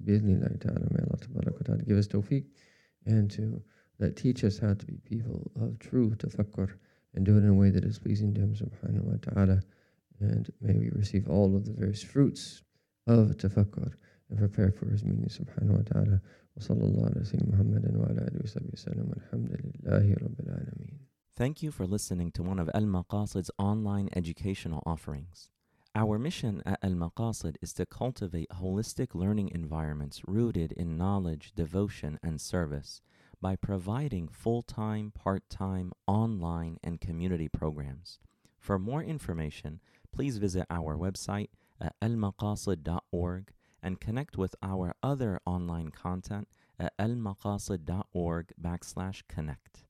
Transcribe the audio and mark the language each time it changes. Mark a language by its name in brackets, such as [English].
[English] Bismillah ta'ala, may Allah tabarak wa ta'ala give us tawfiq, and to that teach us how to be people of true tafakkur and do it in a way that is pleasing to Him subhanahu wa ta'ala. And may we receive all of the various fruits of tafakkur and prepare for His meaning subhanahu wa ta'ala. [Arabic] وصلى الله على سيدنا محمد وعلى آله وصحبه وسلم والحمد لله رب العالمين. [English] Thank you for listening to one of Al Maqasid's online educational offerings. Our mission at Al Maqasid is to cultivate holistic learning environments rooted in knowledge, devotion, and service by providing full-time, part-time, online, and community programs. For more information, please visit our website at almaqasid.org and connect with our other online content at almaqasid.org/connect.